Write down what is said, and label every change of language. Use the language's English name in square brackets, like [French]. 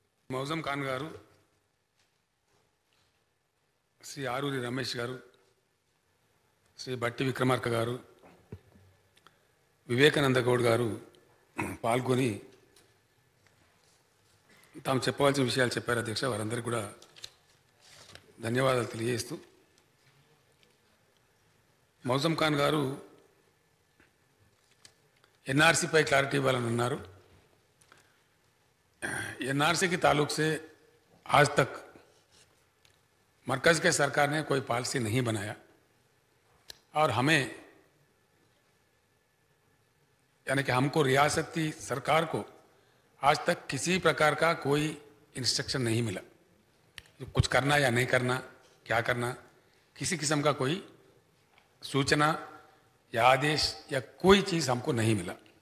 [Telugu] Mauzam Khan Garu, Sri Aruri Ramesh Garu, Sri Bhatti Vikramarka Garu, Vivekananda Gowda Garu, పాల్గొని తాము చెప్పవలసిన విషయాలు చెప్పారు అధ్యక్ష. వారందరికీ కూడా ధన్యవాదాలు తెలియజేస్తూ, మౌజమ్ ఖాన్ గారు ఎన్ఆర్సీపై క్లారిటీ ఇవ్వాలని అన్నారు. [Hindi] ఎన్ఆర్సీకి తాలూక్సే ఆజ్ తక్ మర్కజ్కే సర్కార్నే కోయి పాలసీ నహీ బనాయా ఔర్ హమే यानी कि हमको रियासती सरकार को आज तक किसी प्रकार का कोई इंस्ट्रक्शन नहीं मिला, कुछ करना या नहीं करना, क्या करना, किसी किस्म का कोई सूचना या आदेश या कोई चीज़ हमको नहीं मिला.